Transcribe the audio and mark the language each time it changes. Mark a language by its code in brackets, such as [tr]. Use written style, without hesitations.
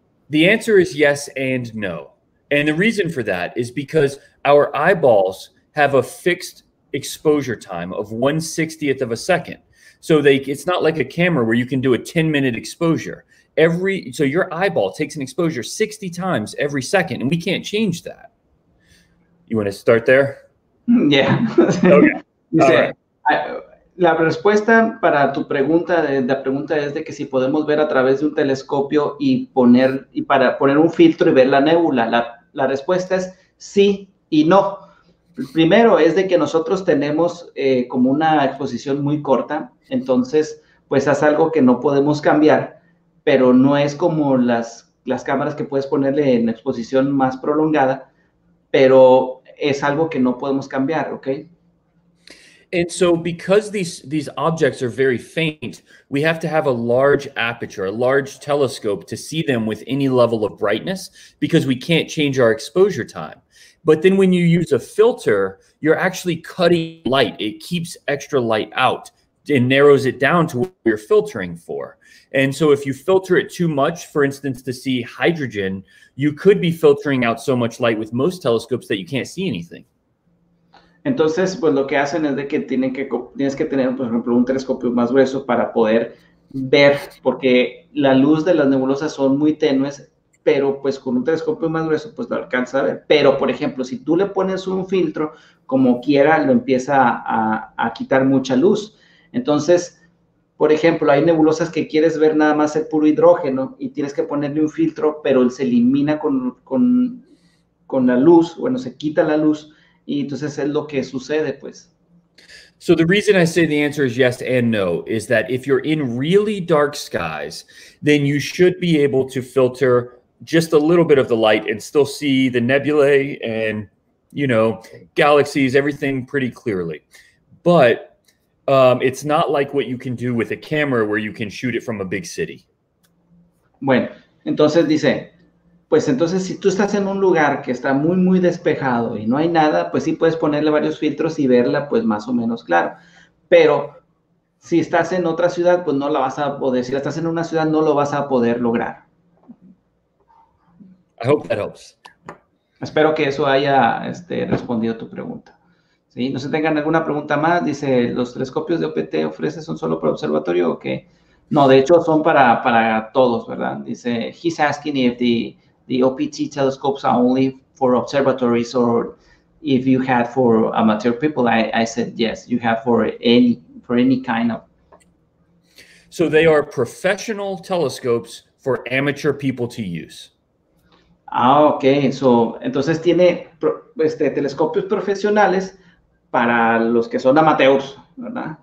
[en] The answer is yes and no. And the reason for that is because our eyeballs have a fixed exposure time of 1/60th of a second. So it's not like a camera where you can do a 10-minute exposure. So your eyeball takes an exposure 60 times every second, and we can't change that. You want to start there? Yeah. Okay. [es] Dice, la respuesta para tu pregunta, la pregunta es de que si podemos ver a través de un telescopio y para poner un filtro y ver la nébula. La respuesta es sí y no. Primero es de que nosotros tenemos como una exposición muy corta, entonces pues es algo que no podemos cambiar, pero no es como las cámaras que puedes ponerle en exposición más prolongada, pero es algo que no podemos cambiar, ¿okay? [en] And so because these objects are very faint, we have to have a large aperture, a large telescope to see them with any level of brightness because we can't change our exposure time. But then when you use a filter, you're actually cutting light. It keeps extra light out and narrows it down to what you're filtering for. And so if you filter it too much, for instance, to see hydrogen, you could be filtering out so much light with most telescopes that you can't see anything. [es] Entonces, pues lo que hacen es de que tienes que tener, por ejemplo, un telescopio más grueso para poder ver, porque la luz de las nebulosas son muy tenues, pero pues con un telescopio más grueso, pues lo alcanza a ver. Pero, por ejemplo, si tú le pones un filtro, como quiera, lo empieza a quitar mucha luz. Entonces, por ejemplo, hay nebulosas que quieres ver nada más el puro hidrógeno y tienes que ponerle un filtro, pero él se elimina con la luz, bueno, se quita la luz, y entonces es lo que sucede, pues. [en] So the reason I say the answer is yes and no is that if you're in really dark skies, then you should be able to filter just a little bit of the light and still see the nebulae and, you know, galaxies, everything pretty clearly. But it's not like what you can do with a camera where you can shoot it from a big city. [es] Bueno, entonces dice, pues entonces si tú estás en un lugar que está muy, muy despejado y no hay nada, pues sí puedes ponerle varios filtros y verla pues más o menos claro. Pero si estás en otra ciudad, pues no la vas a poder, si estás en una ciudad, no lo vas a poder lograr. [en] I hope that helps. [es] Espero que eso haya respondido tu pregunta. ¿Sí? No se tengan alguna pregunta más. Dice, ¿los telescopios de OPT ofrece son solo para observatorio o qué? No, de hecho son para todos, ¿verdad? [en] Dice, he's asking if the OPT telescopes are only for observatories or if you had for amateur people. I said yes, you have for any kind of. So they are professional telescopes for amateur people to use. Ah, ok. [es] So, entonces tiene telescopios profesionales para los que son amateurs, ¿verdad?